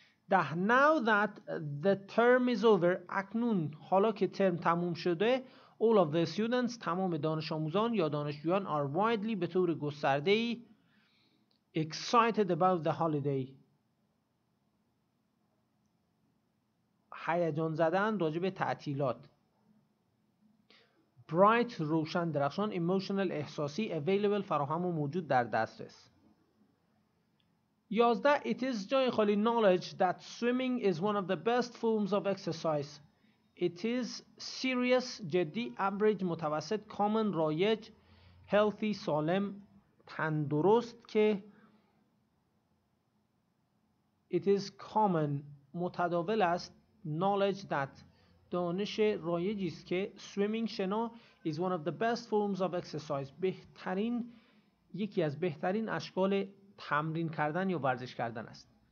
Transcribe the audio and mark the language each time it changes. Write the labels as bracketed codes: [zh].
[fa] ده، now that the term is over، اکنون حالا که ترم تموم شده، all of the students، تمام دانش آموزان یا دانشجویان، are widely، به طور گسترده ای، excited about the holiday، هیجان زدن راجع به تعطیلات. bright روشن، درخشان، emotional احساسی، available فراهم و موجود در دسترس. 11. [en] It is joy holy knowledge that swimming is one of the best forms of exercise. [fa] It is serious، جدی، average متوسط، common رایج، healthy سالم، تندرست، که it is common متداول است، knowledge that دانش رایجی است که swimming شنا is one of the best forms of exercise، بهترین، یکی از بهترین اشکال تمرین کردن یا ورزش کردن است.